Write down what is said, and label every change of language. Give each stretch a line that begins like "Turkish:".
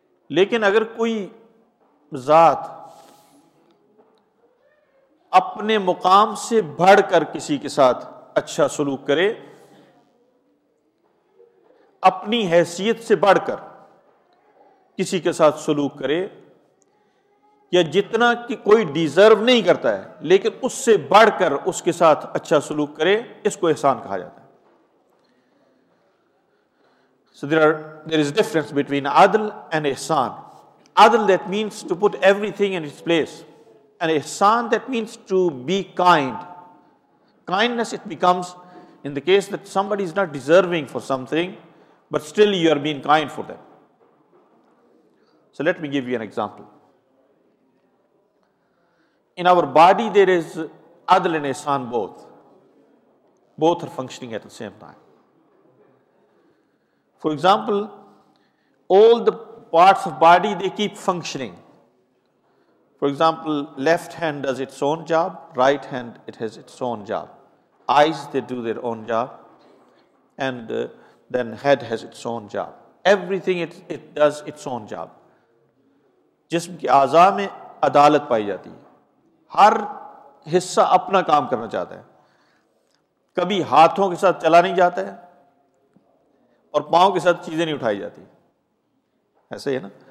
Urdu: لیکن اگر کوئی ذات اپنے مقام سے بڑھ کر کسی کے ساتھ اچھا سلوک کرے، اپنی حیثیت سے بڑھ کر کسی کے ساتھ سلوک کرے، یا جتنا کہ کوئی ڈیزرو نہیں کرتا ہے لیکن اس سے بڑھ کر اس کے ساتھ اچھا سلوک کرے، اس کو احسان کہا جاتا ہے.
English: So there is difference between عدل and احسان. Adl, that means to put everything in its place. And ihsan, that means to be kind. Kindness, it becomes in the case that somebody is not deserving for something, but still you are being kind for them. So let me give you an example. In our body, there is adl and ihsan both. Both are functioning at the same time. For example, all the parts of body, they keep functioning. For example, left hand does its own job, right hand it has its own job, eyes they do their own job, and then head has its own job. Everything it does its own job.
Urdu: جسم کے اعضاء میں عدالت پائی جاتی ہے، ہر حصہ اپنا کام کرنا چاہتا ہے، کبھی ہاتھوں کے ساتھ چلا نہیں جاتا ہے اور پاؤں کے ساتھ چیزیں نہیں اٹھائی جاتی، ایسے ہے نا؟